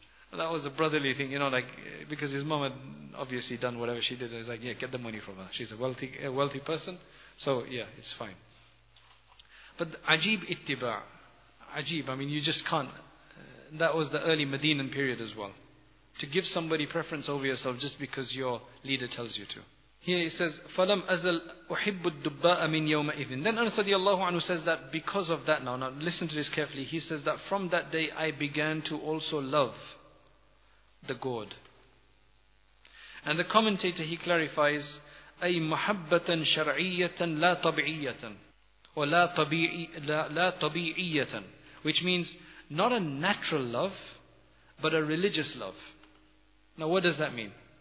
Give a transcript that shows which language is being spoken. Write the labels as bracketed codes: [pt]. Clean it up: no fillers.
[en] Well, that was a brotherly thing, you know, like, because his mom had obviously done whatever she did, and he's like, yeah, get the money from her. She's a wealthy person, so yeah, it's fine. But ajib ittiba, ajib, I mean, you just can't. That was the early Medinan period as well. To give somebody preference over yourself just because your leader tells you to. Here he says, [ar] فَلَمْ أَزَلْ أُحِبُّ الدُّبَّاءَ مِنْ يَوْمَئِذٍ. [en] Then Anas [ar] رضي الله عنه [en] says that because of that, now listen to this carefully, he says that from that day I began to also love the gourd. And the commentator, he clarifies, [ar] أي محبة شرعية لا طبيعية [en] or [ar] لا طبيعية, [en] which means not a natural love, but a religious love. Now what does that mean?